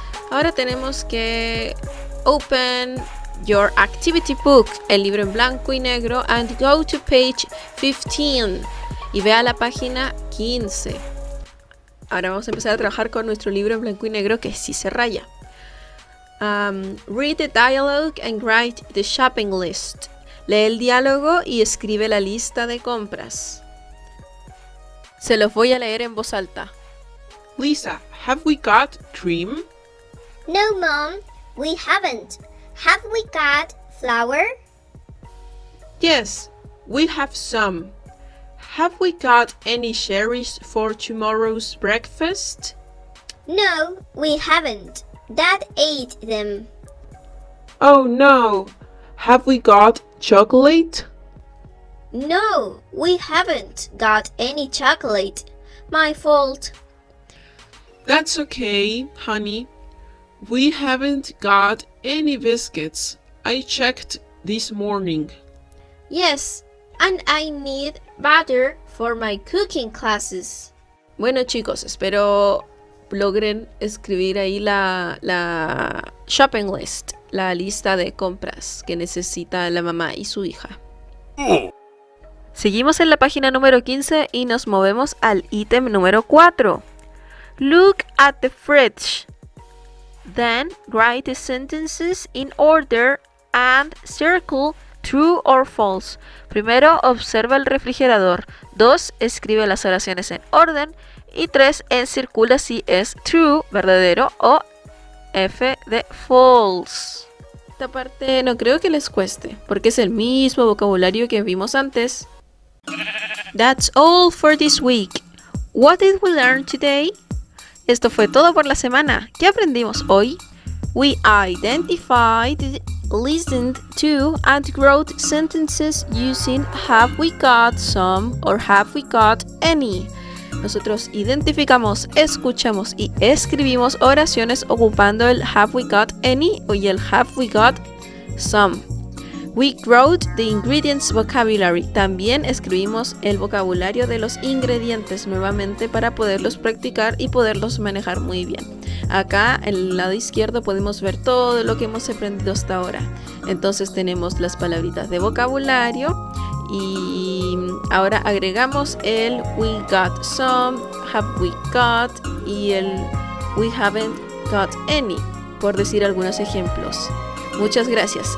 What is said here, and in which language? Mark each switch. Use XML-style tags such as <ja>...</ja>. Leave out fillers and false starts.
<es>Ahora tenemos que</es> <en>open your activity book,</en> <es>el libro en blanco y negro,</es> <en>and go to page 15</en> <es>y vea la página 15. Ahora vamos a empezar a trabajar con nuestro libro en blanco y negro que sí se raya.</es> <en>Read the dialogue and write the shopping list.</en> <es>Lee el diálogo y escribe la lista de compras. Se los voy a leer en voz alta.</es> <en>Lisa, have we got cream? No, Mom, we haven't. Have we got flour? Yes, we have some. Have we got any cherries for tomorrow's breakfast? No, we haven't. Dad ate them. Oh no! Have we got chocolate? No, we haven't got any chocolate. My fault. That's okay, honey. We haven't got any biscuits. I checked this morning. Yes, and I need butter for my cooking classes.</en> <es>Bueno, chicos, espero logren escribir ahí la shopping list, la lista de compras que necesita la mamá y su hija. Seguimos en la página número 15 y nos movemos al ítem número 4.</es> <en>Look at the fridge. Then write the sentences in order and circle true or false.</en> <es>Primero observa el refrigerador. 2. Escribe las oraciones en orden. Y 3, en circula si es true, verdadero, o F de false. Esta parte no creo que les cueste, porque es el mismo vocabulario que vimos antes.</es> <en>That's all for this week. What did we learn today?</en> <es>Esto fue todo por la semana. ¿Qué aprendimos hoy?</es> <en>We identified, listened to, and wrote sentences using have we got some or have we got any.</en> <es>Nosotros identificamos, escuchamos y escribimos oraciones ocupando el</es> <en>have we got any</en> <es>y el</es> <en>have we got some. We wrote the ingredients vocabulary.</en> <es>También escribimos el vocabulario de los ingredientes nuevamente para poderlos practicar y poderlos manejar muy bien. Acá en el lado izquierdo podemos ver todo lo que hemos aprendido hasta ahora. Entonces tenemos las palabritas de vocabulario. Y ahora agregamos el</es> <en>we got some, have we got</en> <es>y el</es> <en>we haven't got any,</en> <es>por decir algunos ejemplos. Muchas gracias.</es>